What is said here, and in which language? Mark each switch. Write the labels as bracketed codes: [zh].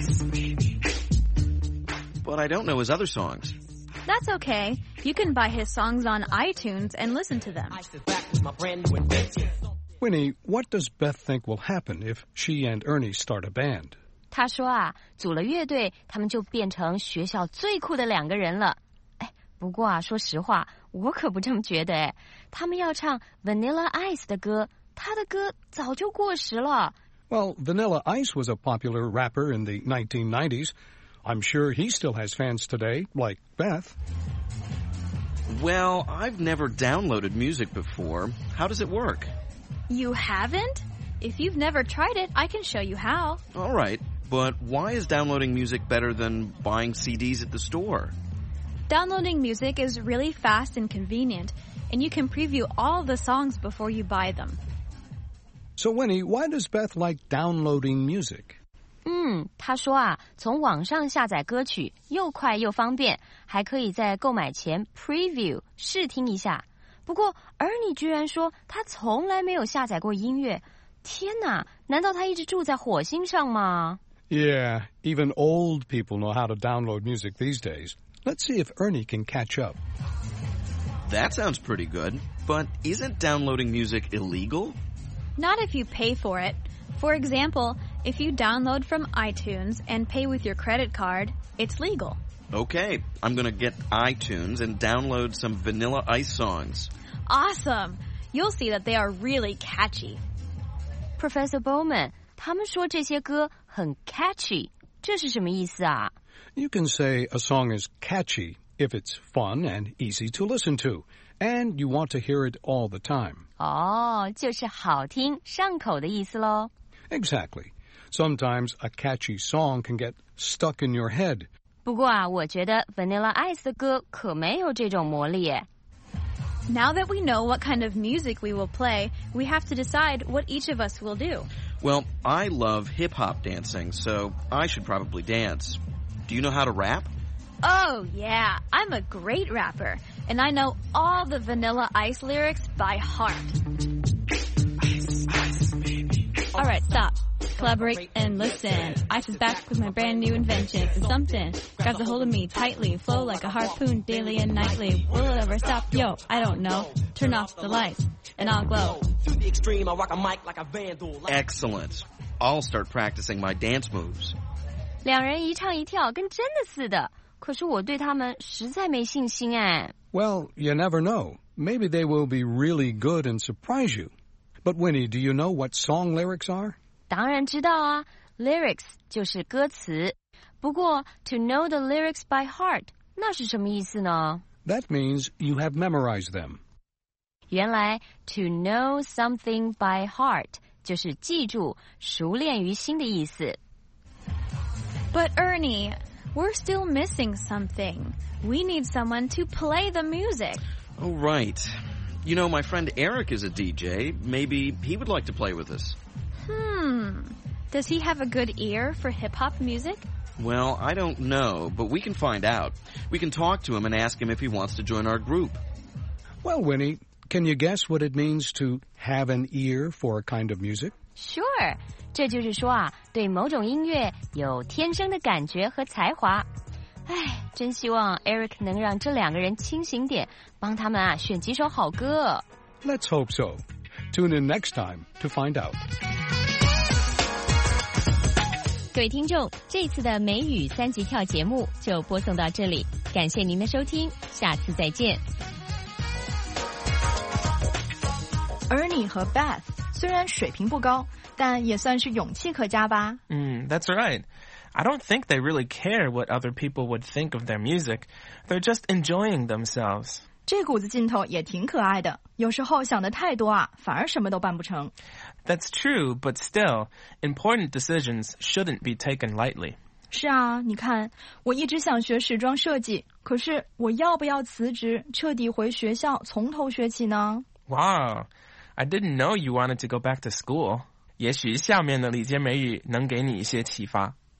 [en] But I don't know his other songs. That's okay. You can buy his songs on iTunes and listen to them. Winnie, what does Beth think will happen if she and Ernie start a band? [zh] 她说啊，组了乐队，他们就变成学校最酷的两个人了。哎，不过啊，说实话，我可不这么觉得哎。他们要唱 Vanilla Ice 的歌，他的歌早就过时了。 [en] Well, Vanilla Ice was a popular rapper in the 1990s. I'm sure he still has fans today, like Beth. Well, I've never downloaded music before. How does it work? You haven't? If you've never tried it, I can show you how. All right, but why is downloading music better than buying CDs at the store? Downloading music is really fast and convenient, and you can preview all the songs before you buy them. So Winnie, why does Beth like downloading music? [zh] 他说啊，从网上下载歌曲又快又方便，还可以在购买前 preview 试听一下。不过 Ernie 居然说他从来没有下载过音乐，天哪，难道他一直住在火星上吗？ [en] Yeah, even old people know how to download music these days. Let's see if Ernie can catch up. That sounds pretty good, but isn't downloading music illegal? Not if you pay for it. For example,If you download from iTunes and pay with your credit card, it's legal. Okay, I'm going to get iTunes and download some Vanilla Ice songs. Awesome! You'll see that they are really catchy. [zh] Professor Bowman, 他们说这些歌很 catchy, 这是什么意思啊? [en] You can say a song is catchy if it's fun and easy to listen to, and you want to hear it all the time. [zh] 哦,就是好听,上口的意思咯。 [en] Exactly. Sometimes a catchy song can get stuck in your head. [zh] 不过啊，我觉得 Vanilla Ice 的歌可没有这种魔力耶。 [en] Now that we know what kind of music we will play, we have to decide what each of us will do. Well, I love hip-hop dancing, so I should probably dance. Do you know how to rap? Oh, yeah, I'm a great rapper, and I know all the Vanilla Ice lyrics by heart. All right, stop. Collaborate and listen. Ice is back with my brand new invention. It's something. Grabs a hold of me tightly. Flow like a harpoon daily and nightly. Will it ever stop? Yo, I don't know. Turn off the lights and I'll glow. Excellent. I'll start practicing my dance moves. [zh] 两人一唱一跳跟真的似的。可是我对他们实在没信心哎。 [en] Well, you never know. Maybe they will be really good and surprise you. But Winnie, do you know what song lyrics are? [zh] 当然知道啊 ,lyrics 就是歌词。不过 , [en] to know the lyrics by heart, [zh] 那是什么意思呢? [en] That means you have memorized them. [zh] 原来 , [en] to know something by heart, [zh] 就是记住,熟练于心的意思。 [en] But Ernie, we're still missing something. We need someone to play the music. Oh, right. You know, my friend Eric is a DJ. Maybe he would like to play with us. Does he have a good ear for hip-hop music? Well, I don't know, but we can find out. We can talk to him and ask him if he wants to join our group. Well, Winnie, can you guess what it means to have an ear for a kind of music? Sure. [zh] 这就是说啊，对某种音乐有天生的感觉和才华。哎，真希望 Eric 能让这两个人清醒点，帮他们啊选几首好歌。 [en] Let's hope so. Tune in next time to find out. [zh] 各位听众，这次的美语三级跳节目就播送到这里，感谢您的收听，下次再见。 Ernie 和 Beth 虽然水平不高，但也算是勇气可嘉吧。 [en] That's right. I don't think they really care what other people would think of their music. They're just enjoying themselves. [zh] 这股子劲头也挺可爱的。有时候想得太多啊，反而什么都办不成。 [en] That's true, but still, important decisions shouldn't be taken lightly. [zh] 是啊，你看，我一直想学时装设计，可是我要不要辞职，彻底回学校，从头学起呢？ [en] Wow, I didn't know you wanted to go back to school. [zh] 也许下面的理解美语能给你一些启发。